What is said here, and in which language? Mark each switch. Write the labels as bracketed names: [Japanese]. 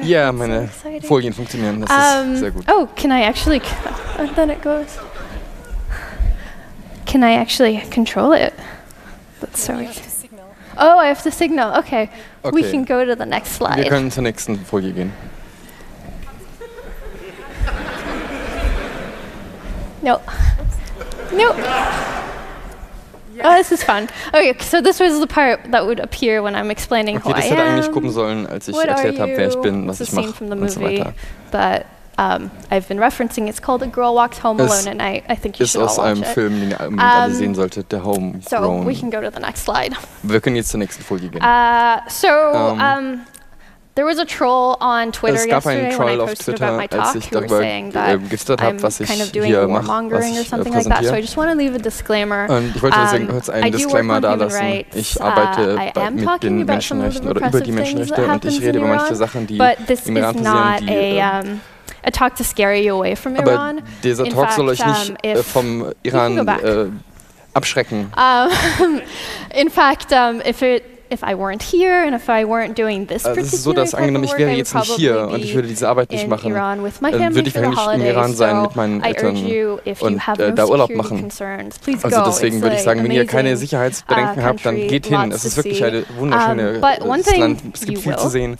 [German] Yeah, meine so Folien funktionieren, das ist sehr gut. [English] Oh, can I actually, and then it goes. Can I actually control it? That's so weird. Oh, I have to signal, okay. We can go to the next slide. [German] Wir können zur nächsten Folie gehen. [English] Oh, this is fun. Okay, so this was the part that would appear when I'm explaining who I am. [German] Okay, das hätte eigentlich gucken sollen, als ich erklärt habe, wer ich bin, was ich mache und so weiter. [English] But I've been referencing. It's called A Girl Walks Home Alone, and I think you should all watch it. [German] Ist aus einem Film, den ihr alle sehen solltet, der Homegrown. [English] So we can go to the next slide. [German] Wir können jetzt zur nächsten Folie gehen. [English] There was a troll on Twitter yesterday when I posted about my talk, [German] als ich darüber gestört habe, was ich hier mache, was ich präsentiere. [English] So I just want to leave a disclaimer. [German] Und ich wollte deswegen kurz einen Disclaimer da lassen. Ich arbeite mit den Menschenrechten oder über die Menschenrechte und ich rede über manche Sachen, die im Iran passieren, die [English] a talk to scare you away from Iran. [German] Aber dieser Talk soll euch nicht vom Iran abschrecken. [English] In fact, if it if I weren't here and if I weren't doing this particular paperwork, [German] so, dass angenommen, ich wäre jetzt nicht hier und ich würde diese Arbeit nicht machen, würde ich eigentlich im Iran sein mit meinen Eltern und da Urlaub machen. Also deswegen würde ich sagen, wenn ihr keine Sicherheitsbedenken habt, dann geht hin. Es ist wirklich ein wunderschönes Land. Es gibt viel zu sehen.